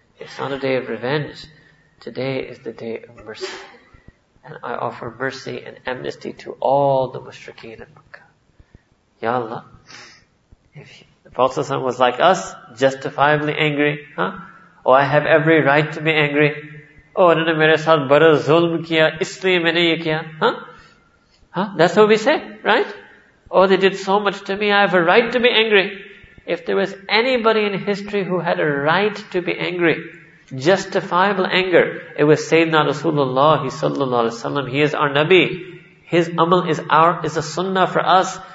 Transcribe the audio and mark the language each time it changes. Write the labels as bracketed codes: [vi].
[en] It's not a day of revenge. Today is the day of mercy. And I offer mercy and amnesty to all the mushrikeen in Makkah. Ya Allah. If the Prophet was like us, justifiably angry, huh? Oh, I have every right to be angry. [ur] اوہ، انہوں نے میرے ساتھ بڑا ظلم کیا، اسلیے میں نے یہ کیا، ہہ؟ Huh? [en] That's what we say, right? Oh, they did so much to me, I have a right to be angry. If there was anybody in history who had a right to be angry, justifiable anger, it was Sayyidina Rasulullah sallallahu alaihi wasallam. He is our Nabi. His amal is a sunnah for us.